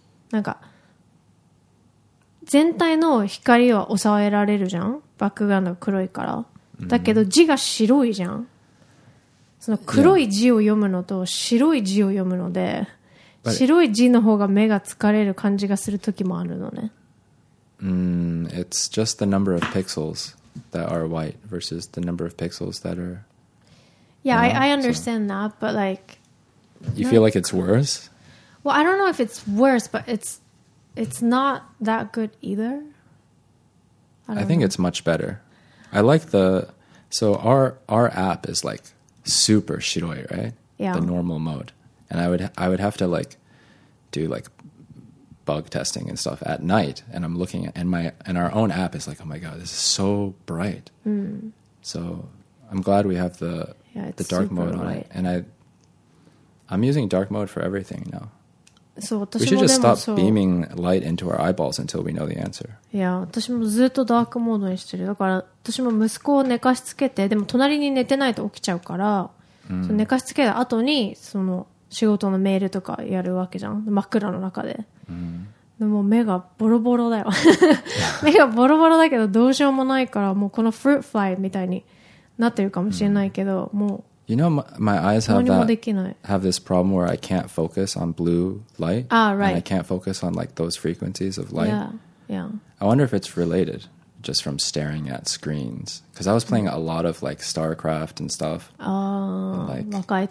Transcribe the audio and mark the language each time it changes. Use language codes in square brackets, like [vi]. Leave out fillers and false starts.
[ja] なんか全体の光は抑えられるじゃん。バックグラウンドが黒いから。だけど字が白いじゃん。その黒い字を読むのと白い字を読むので、白い字の方が目が疲れる感じがする時もあるのね。 [en] It's just the number of pixels that are white versus the number of pixels that are. Yeah, I understand that, but like. You feel like it's worse? Well, I don't know if it's worse, but it's not that good either. I think it's much better. I like so our app is like super shiroi, right? Yeah. The normal mode. And I would have to like do like bug testing and stuff at night, and I'm looking at, and our own app is like, oh my God, this is so bright. Mm. So I'm glad we have the dark mode on it. And I'm using dark mode for everything now. [ja] そう、私もでもそう。 [en] beaming light into our eyeballs until we know the answer. [ja] いや、私もずっとダークモードにしてる。だから、私も息子を寝かしつけて、でも隣に寝てないと起きちゃうから、その寝かしつけた後にその仕事のメールとかやるわけじゃん。真っ暗の中で。でも目がボロボロだよ。目がボロボロだけどどうしようもないから、もうこのフルーツフライみたいになってるかもしれないけど、もう。 [en] You know, my eyes have this problem where I can't focus on blue light. Ah, right. And I can't focus on like those frequencies of light. Yeah, yeah. I wonder if it's related just from staring at screens. Because I was playing a lot of like StarCraft and stuff. Oh, like